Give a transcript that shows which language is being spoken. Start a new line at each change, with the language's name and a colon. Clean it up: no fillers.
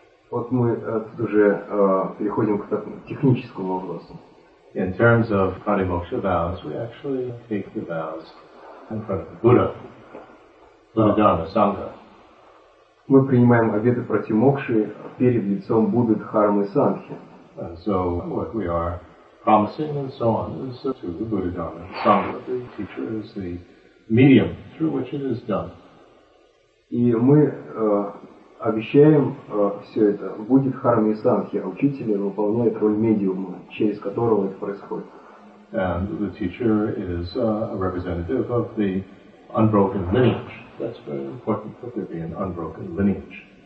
Russian: Вот мы тут уже переходим к техническому вопросу.
English: In terms of pratimoksha vows, we actually take the vows in front of the Buddha.
Russian: Мы принимаем обеты пратимокши перед лицом Будды, Дхармы и Сангхи.
English: So what we are promising and so on is to the Buddha, Dharma, Sangha. The teacher is the medium through which it is done.
Russian: И мы обещаем все это Будде, Дхарме и Сангхи. Учитель выполняет роль медиума, через которого это происходит.
English: And the teacher is a representative of the unbroken lineage. That's very important that there be an unbroken lineage.